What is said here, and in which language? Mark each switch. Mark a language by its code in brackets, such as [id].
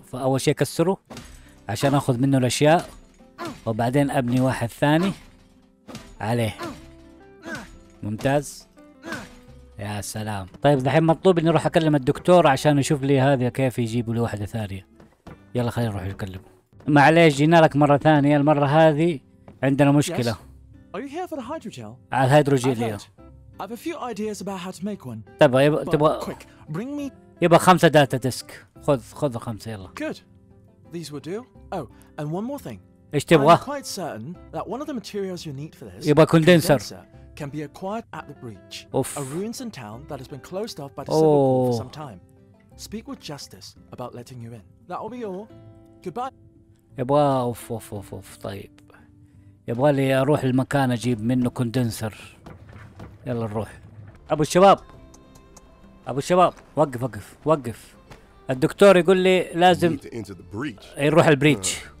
[ar] فاول شيء كسره عشان اخذ منه الاشياء، وبعدين ابني واحد ثاني عليه. ممتاز يا سلام. طيب دحين مطلوب اني اروح اكلم الدكتور عشان اشوف لي هذا كيف يجيبوا لي واحده ثانيه. يلا خلينا نروح نكلمه. معليش جينا لك مره ثانيه، المره هذه عندنا مشكلة. [en] Are you here for the hydrogel? [ar] الهيدروجيل. [en] I have a few ideas about how to make one. [ar] تبغى [en] quick, bring me. [ar] يبغى 5 داتا ديسك. خذ 5 يلا. [en] Good. These will do. Oh, and one more thing. [ar] إيش تبغى؟ [en] I'm quite certain that one of the materials you need for this. [ar] يبغى كوندنسر. [en] Can be acquired at the breach. أوف. A ruins in town that has been closed off by the civil war for some time. Speak with justice about letting you in. That will be all. Goodbye. [ar] يبغى أوف. طيب. يبغى لي أروح المكان أجيب منه كوندنسر. يلا نروح. أبو الشباب وقف. الدكتور يقول لي لازم يروح البريتش.